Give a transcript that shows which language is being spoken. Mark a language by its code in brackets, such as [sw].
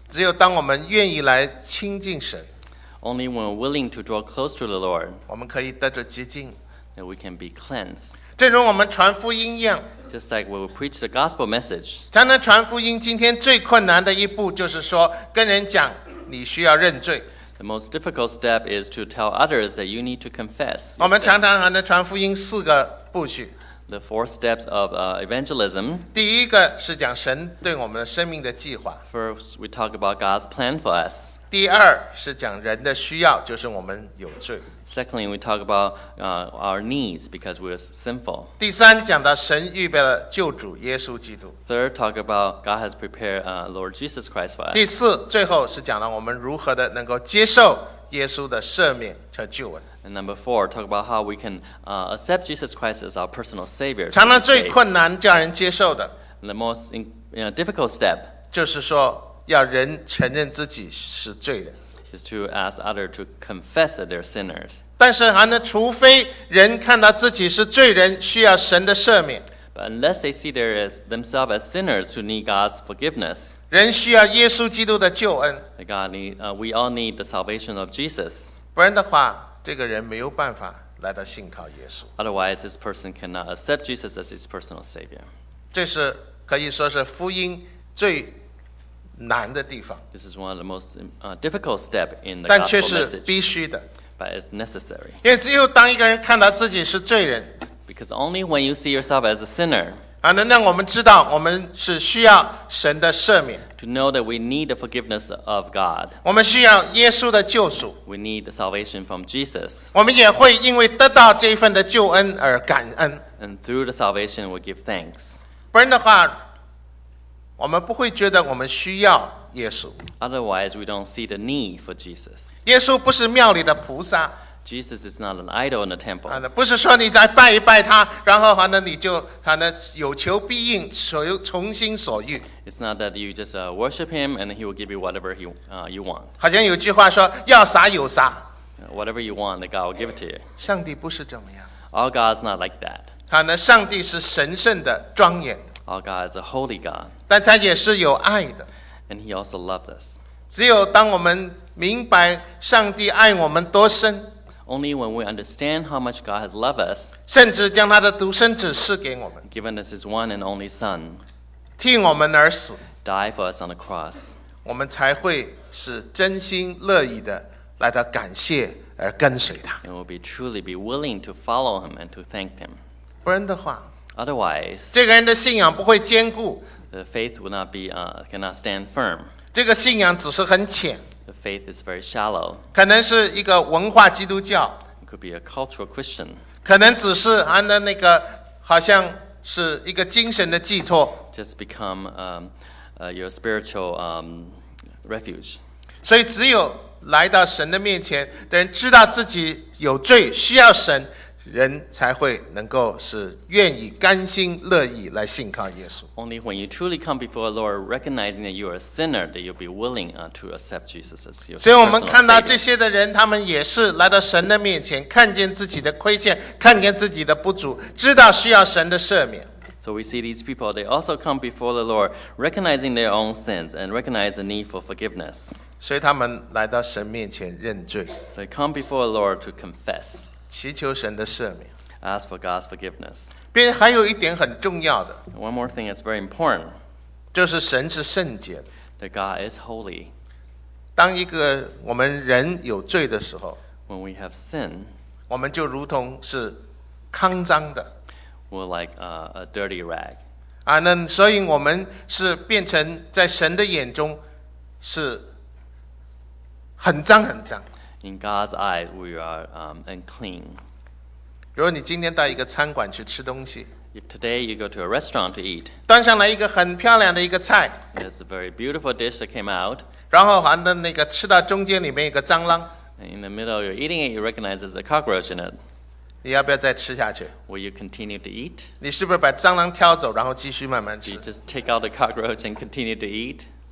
[zh] 只有当我们愿意来亲近神 [en] ，Only when we're willing to draw close to the Lord, [zh] 我们可以得着洁净 [en] ，that we can be cleansed. [zh] 正如我们传福音一样。 [en] Just like we will preach the gospel message. [zh] 才能传福音，今天最困难的一步就是说，跟人讲你需要认罪。 [en] The most difficult step is to tell others that you need to confess. [zh] 我们常常还能传福音四个步骤。 [en] The four steps of evangelism. [zh] 第一个是讲神对我们生命的计划。 [en] First, we talk about God's plan for us. [zh] 第二是讲人的需要，就是我们有罪。 [en] Secondly, we talk about our needs because we are sinful. [zh] 第三讲到神预备了救主耶稣基督。 [en] Third, talk about God has prepared Lord Jesus Christ for us. [zh] 第四最后是讲到我们如何的能够接受耶稣的赦免和救恩。 [en] And number four, talk about how we can accept Jesus Christ as our personal Savior. [zh] 常常最困难叫人接受的。 [en] The most difficult step. [zh] 就是说要人承认自己是罪人。 [en] Is to ask others to confess that they're sinners. [zh] 但是还能，除非人看到自己是罪人，需要神的赦免。 [en] But unless they see there is themselves as sinners who need God's forgiveness. [zh] 人需要耶稣基督的救恩。 [en] We all need the salvation of Jesus. [zh] 不然的话，这个人没有办法来到信靠耶稣。 [en] Otherwise, this person cannot accept Jesus as his personal savior. [zh] 这是可以说是福音最难的地方。 [en] This is one of the most difficult steps in the [zh] 但却是必须的。 [en] But it's necessary. [zh] 因为只有当一个人看到自己是罪人。 [en] Because only when you see yourself as a sinner. [zh] 能让我们知道我们是需要神的赦免。 [en] To know that we need the forgiveness of God. [zh] 我们需要耶稣的救赎。 [en] We need the salvation from Jesus. [zh] 我们也会因为得到这份的救恩而感恩。 [en] And through the salvation we give thanks. [zh] 不然的话我们不会觉得我们需要耶稣。 [en] Otherwise, we don't see the need for Jesus. [zh] 耶稣不是庙里的菩萨。 [en] Jesus is not an idol in the temple. [zh] 不是说你再拜一拜他，然后呢你就呢有求必应，从心所欲。 [en] It's not that you just worship him and he will give you whatever you want. [zh] 好像有句话说，要啥有啥。 [en] Whatever you want, that God will give it to you. [zh] 上帝不是怎么样。 [en] Our God is not like that. [zh] 上帝是神圣的庄严。 [en] Our God is a holy God. [zh] 但他也是有爱的。 [en] And he also loves us. [zh] 只有当我们明白上帝爱我们多深。 [en] Only when we understand how much God has loved us. [zh] 甚至将他的独生子赐给我们。 [en] Given us his one and only son. [zh] 替我们而死。 [en] Die for us on the cross. [zh] 我们才会是真心乐意的来到感谢而跟随他。 [en] And we'll be truly be willing to follow him and to thank him. [zh] 不然的话 [en] Otherwise, [zh] 这个人的信仰不会坚固。 [en] The faith will not be, cannot stand firm. [zh] 这个信仰只是很浅。 [en] The faith is very shallow. [zh] 可能是一个文化基督教。 [en] It could be a cultural Christian. [zh] 可能只是按的那个，好像是一个精神的寄托。 [en] Just become your spiritual refuge. [zh] 所以只有来到神的面前，人知道自己有罪，需要神。人才会能够是愿意甘心乐意来信靠耶稣。 [en] Only when you truly come before the Lord, recognizing that you are a sinner, that you'll be willing to accept Jesus as your personal [zh] Savior. 所以我们看到这些的人，他们也是来到神的面前，看见自己的亏欠，看见自己的不足，知道需要神的赦免。 [en] So we see these people, they also come before the Lord, recognizing their own sins and recognize the need for forgiveness. [zh] 所以他们来到神面前认罪。 [en] They come before the Lord to confess. [zh] 祈求神的赦免。 [en] Ask for God's forgiveness. [zh] 并还有一点很重要的。 [en] One more thing is very important. [zh] 就是神是圣洁的。 [en] That God is holy. [zh] 当一个我们人有罪的时候。 [en] When we have sin. [zh] 我们就如同是肮脏的。 [en] We're like a dirty rag. [zh] 那所以我们是变成在神的眼中是很脏很脏。 [en] In God's eyes, we are unclean. [zh] 如果你今天到一个餐馆去吃东西， [en] If today you go to a restaurant to eat, [zh] 端上来一个很漂亮的一个菜， [en] There's a very beautiful dish that came out. [zh] 然后还能那个吃到中间里面一个蟑螂， [en] In the middle, you're eating it, you recognize there's a cockroach in it. [zh] 你要不要再吃下去？ [en] Will you continue to eat? [zh] 你是不是把蟑螂挑走，然后继续慢慢吃？ [en] Do you just take out the cockroach and continue to eat?